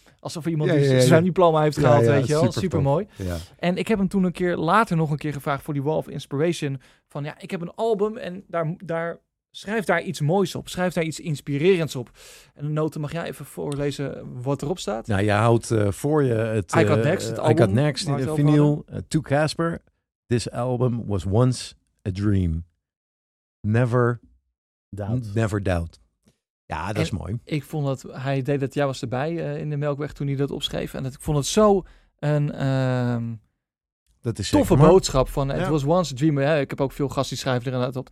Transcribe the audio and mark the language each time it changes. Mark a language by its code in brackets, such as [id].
[nl] Alsof iemand zijn diploma heeft gehaald, super mooi. Ja. En ik heb hem toen later nog een keer gevraagd voor die Wall of Inspiration. Van ja, ik heb een album en daar schrijf daar iets moois op. Schrijf daar iets inspirerends op. En de noten, mag jij even voorlezen wat erop staat? Nou, je houdt voor je het... I Got Next, het album. I Got Next, in de vinyl. [en] To Casper, this album was once a dream. Never doubt. [nl] Ja, dat is mooi. Ik vond dat hij deed dat jij was erbij in de Melkweg toen hij dat opschreef. En dat ik vond het zo een dat is toffe boodschap. Van [en] it was once a dream. [nl] Ja, ik heb ook veel gasten die schrijven er inderdaad op.